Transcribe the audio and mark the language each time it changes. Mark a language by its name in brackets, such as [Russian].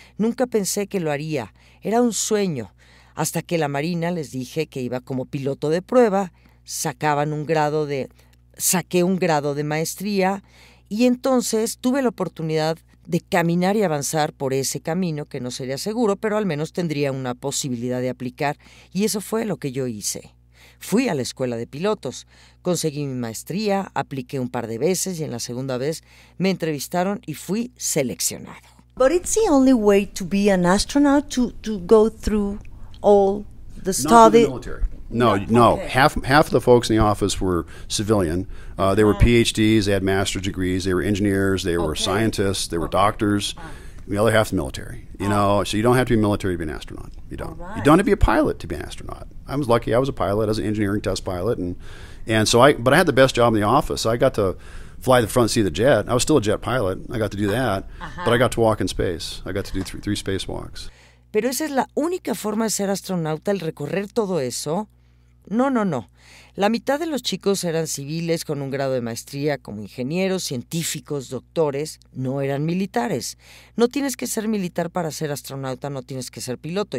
[Spanish] Nunca pensé que lo haría. Era un sueño. Hasta que la Marina les dije que iba como piloto de prueba, saqué un grado de maestría y entonces tuve la oportunidad de caminar y avanzar por ese camino que no sería seguro, pero al menos tendría una posibilidad de aplicar, y eso fue lo que yo hice. Fui a la escuela de pilotos, conseguí mi maestría, apliqué un par de veces y en la segunda vez me entrevistaron y fui seleccionado. [English] But it's the only way to be an astronaut to go through all the study. Not in the military. No. Okay. Half of the folks in the office were civilian. They were PhDs, they had master's degrees, they were engineers, they were scientists, they were doctors. The other half the military, you know, so you don't have to be military to be an astronaut. You don't. Right. You don't have to be a pilot to be an astronaut. I was lucky. I was a pilot. I was an engineering test pilot, but I had the best job in the office. I got to fly the front seat of the jet. I was still a jet pilot. I got to do that, but I got to walk in space. I got to do three spacewalks. [Spanish] Pero esa es la única forma de ser astronauta, el recorrer todo eso. No. La mitad de los chicos eran civiles con un grado de maestría como ingenieros, científicos, doctores. No eran militares. No tienes que ser militar para ser astronauta, no tienes que ser piloto.